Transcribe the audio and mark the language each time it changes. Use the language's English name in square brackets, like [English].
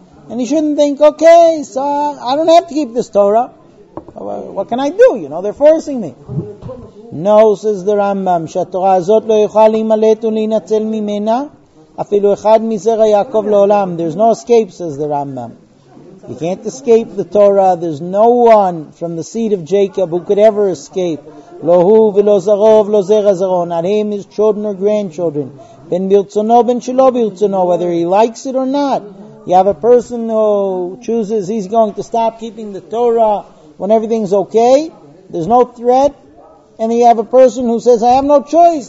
[English] And he shouldn't think, okay, so I don't have to keep this Torah. What can I do? You know, they're forcing me. No, says the Rambam, [Hebrew] שהתורה הזאת לא יוכל להימלט ולהינצל ממנה, אפילו אחד מזרע יעקב לעולם. [English] There's no escape, says the Rambam. You can't escape the Torah. There's no one from the seed of Jacob who could ever escape. [Hebrew] לא הוא ולא זרעו ולא זרע זרעו. [English] Not him, his children or grandchildren. [Hebrew] Ben birtzono, ben shelo birtzono, [English] whether he likes it or not. You have a person who chooses he's going to stop keeping the Torah when everything's okay. There's no threat. And you have a person who says, I have no choice.